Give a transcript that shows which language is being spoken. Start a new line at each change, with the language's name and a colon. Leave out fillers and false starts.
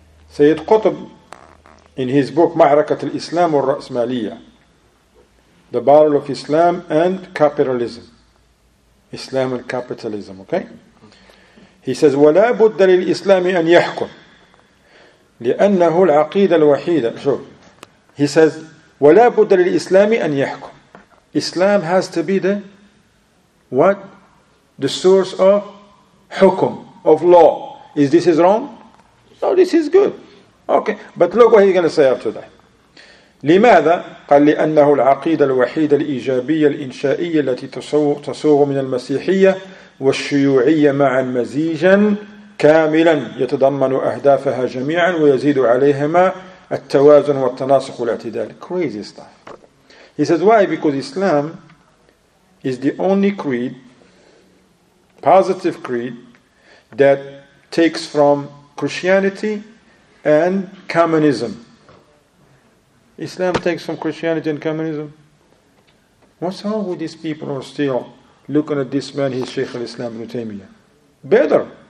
English: Sayyid Qutb, in his book Ma'rakat al-Islam wal-Ra'smaliyya, The Battle of Islam and Capitalism. Islam and Capitalism, okay? He says,
Arabic: وَلَا بُدَّ لِلْإِسْلَامِ أَنْ يَحْكُمْ لِأَنَّهُ الْعَقِيدَ الْوَحِيدَ.
English: So, he says,
Arabic: وَلَا بُدَّ لِلْإِسْلَامِ أَنْ يَحْكُمْ.
English: Islam has to be the, what? The source of hukum, of law. Is this is wrong? No, this is good. Okay, but look what he's going to say after that.
Arabic: لِمَاذَا قَالْ لِأَنَّهُ الْعَقِيدَ الْوَحِيدَ الْإِجَابِيَّ الْإِنْشَائِيَّ الَّتِي تَصُوغُ مِنَ الْمَسِيحِيَّةِ والشيوعية معا مزيجا كاملا يتضمن أهدافها جميعا ويزيد عليهما التوازن والتناسق والاعتدال.
English: Crazy stuff. He says, why? Because Islam is the only creed, positive creed, that takes from Christianity and communism. Islam takes from Christianity and communism. What's wrong with these people who are still looking at this man, he's Sheikh al-Islam ibn Taymiyyah. Better.